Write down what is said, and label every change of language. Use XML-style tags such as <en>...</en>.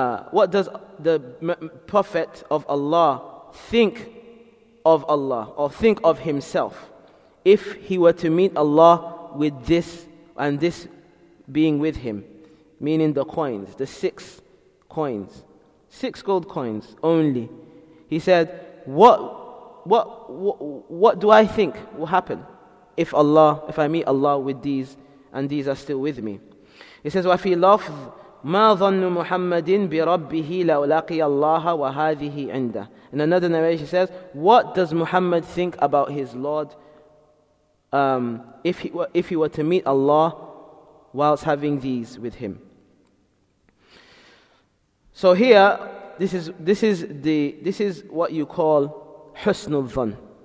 <en>What does the Prophet of Allah think of Allah, or think of himself, if he were to meet Allah with this and this being with him, meaning the coins, the six coins, six gold coins only? He said, what do I think will happen if Allah, if I meet Allah with these and these are still with me? He says,</en> <ar>وَفِي لَفْظ مَا ظَنُّ مُحَمَّدٍ بِرَبِّهِ لَوْ لَقِيَ اللَّهَ وَهَذِهِ عِنْدَهِ.</ar> <en>In another narration, he says, what does Muhammad think about his Lord if he were to meet Allah whilst having these with him? So here, this is what you call husnul dhan.</en>